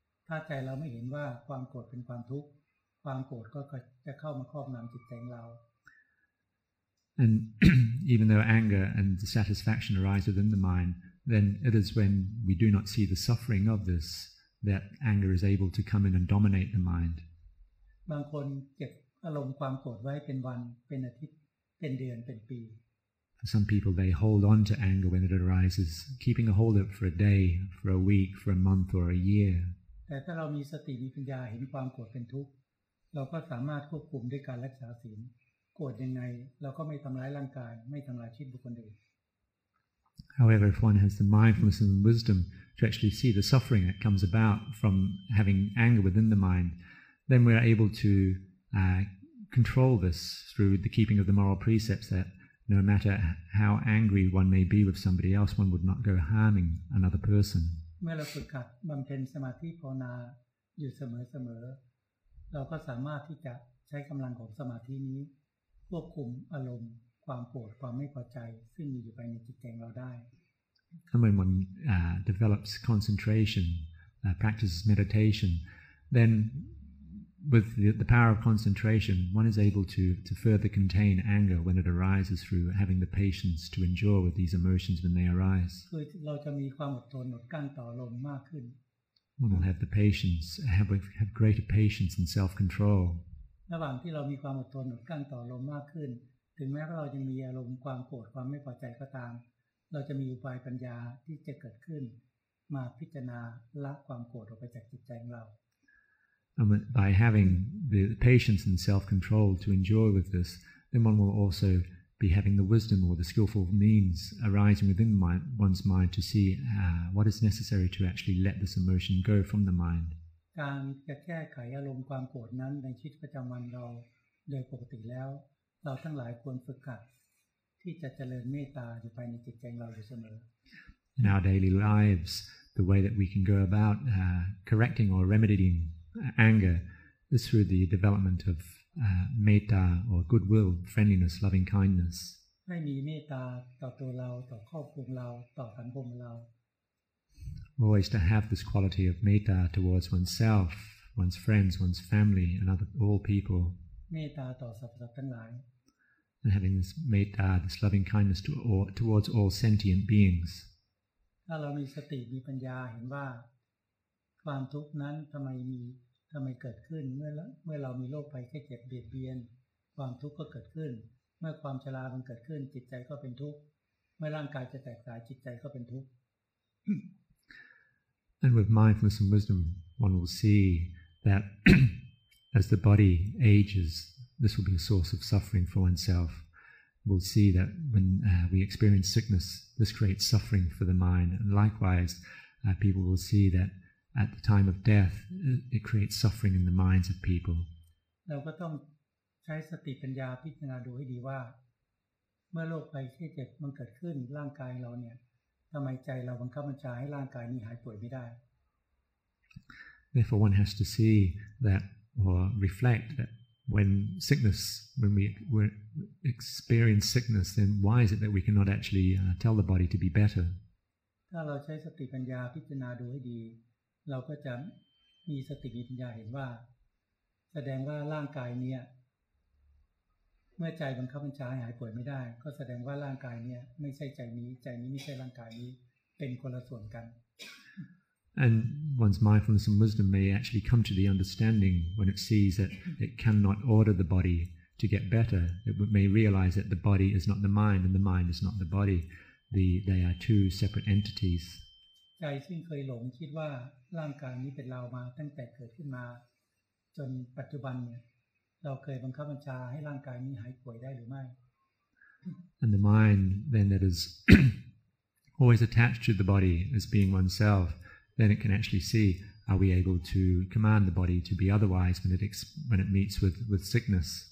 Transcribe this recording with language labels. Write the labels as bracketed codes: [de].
[th] ถ้าใจเราไม่เห็นว่าความโกรธเป็นความทุกข์ความโกรธก็จะเข้ามาครอบงำจิตใจเรา [en] And even though anger and dissatisfaction arise within the mind, then it is when we do not see the suffering of this that anger is able to come in and dominate the mind. [th] บางคนเก็บอารมณ์ความโกรธไว้เป็นวันเป็นอาทิตย์เป็นเดือนเป็นปี [en] Some people they hold on to anger when it arises, keeping a hold of it for a day, for a week, for a month, or a year. [th] แต่ถ้าเรามีสติมีปัญญาเห็นความโกรธเป็นทุกข์เราก็สามารถควบคุมด้วยการรักษาศีลโกรธยังไงเราก็ไม่ทำร้ายร่างกายไม่ทำร้ายชีวิตบุคคลอื่น [en] However, if one has the mindfulness and wisdom to actually see the suffering that comes about from having anger within the mind, then we are able to control this through the keeping of the moral precepts that no matter how angry one may be with somebody else, one would not go harming another person. [th] เมื่อเราฝึกหัดบำเพ็ญสมาธิภาวนาอยู่เสมอๆ เราก็สามารถที่จะใช้กำลังของสมาธินี้ควบคุมอารมณ์ค ความโกรธความไม่พอใจซึ่งมีอยู่ภายในจิตใจเราได้ [en] And when one develops concentration, practices meditation, then with the power of concentration, one is able to further contain anger when it arises through having the patience to endure with these emotions when they arise. [th] เราจะมีความอดทนอดกลั้นต่ออารมณ์มากขึ้น [en] One will have the patience, have greater patience and self-control. [th] ระหว่างที่เรามีความอดทนอดกลั้นต่ออารมณ์มากขึ้นถึงแม้ว่าเราจะมีอารมณ์ความโกรธความไม่พอใจก็ตามเราจะมีอุบายปัญญาที่จะเกิดขึ้นมาพิจารณาละความโกรธออกไปจากจิตใจของเรา [en] And by having the patience and self-control to endure with this, then one will also be having the wisdom or the skillful means arising within one's mind to see what is necessary to actually let this emotion go from the mind. [th] การจะแก้ไขอารมณ์ความโกรธนั้นในชีวิตประจำวันเราโดยปกติแล้วเราทั้งหลายควรฝึกหัดที่จะเจริญเมตตาอยู่ภายในจิตใจเราอยู่เสมอ [en] In our daily lives, the way that we can go about correcting or remedying anger is through the development of metta or goodwill, friendliness, loving kindness. [th] ให้มีเมตตาต่อตัวเราต่อครอบครัวเราต่อสังคมเรา [en] Always to have this quality of metta towards oneself, one's friends, one's family, and other all people. [th] เมตตาต่อสรรพสัตว์ทั้งหลาย [en] And having this metta, this loving kindness towards all sentient beings. [th] ถ้าเรามีสติมีปัญญาเห็นว่าความทุกข์นั้นทำไมเกิดขึ้นเมื่อเรามีโรคภัยแค่เจ็บเบียดเบียนความทุกข์ก็เกิดขึ้นเมื่อความชรามันเกิดขึ้นจิตใจก็เป็นทุกข์เมื่อร่างกายจะแตกสลายจิตใจก็เป็นทุกข์ [en] And with mindfulness and wisdom, one will see that as the body ages, this will be a source of suffering for oneself. We'll see that when we experience sickness, this creates suffering for the mind. And likewise, people will see that at the time of death, it creates suffering in the minds of people. [th] เราก็ต้องใช้สติปัญญาพิจารณาดูให้ดีว่าเมื่อโรคภัยแค่เจ็บมันเกิดขึ้นร่างกายเราเนี่ยทำไมใจเราบังคับบัญชาให้ร่างกายนี้หายป่วยไม่ได้ [en] Therefore, one has to see thatOr reflect that when we experience sickness, then why is it that we cannot actually tell the body to be better? [th] ถ้าเราใช้สติปัญญาพิจารณาดูให้ดีเราก็จะมีสติปัญญาเห็นว่าแสดงว่าร่างกายเนี้ยเมื่อใจบังคับบัญชาหายป่วยไม่ได้ก็แสดงว่าร่างกายเนี้ยไม่ใช่ใจนี้ไม่ใช่ร่างกายนี้เป็นคนละส่วนกัน [en] And one's mindfulness and wisdom may actually come to the understanding when it sees that it cannot order the body to get better. It may realize that the body is not the mind and the mind is not the body. They are two separate entities. [th] ใจซึ่งเคยหลงคิดว่าร่างกายนี้เป็นเรามาตั้งแต่เกิดขึ้นมาจนปัจจุบันเนี่ยเราเคยบังคับบัญชาให้ร่างกายนี้หายป่วยได้หรือไม่ [en] And the mind then that is always attached to the body as being oneself. Then it can actually see: Are we able to command the body to be otherwise when it meets with sickness?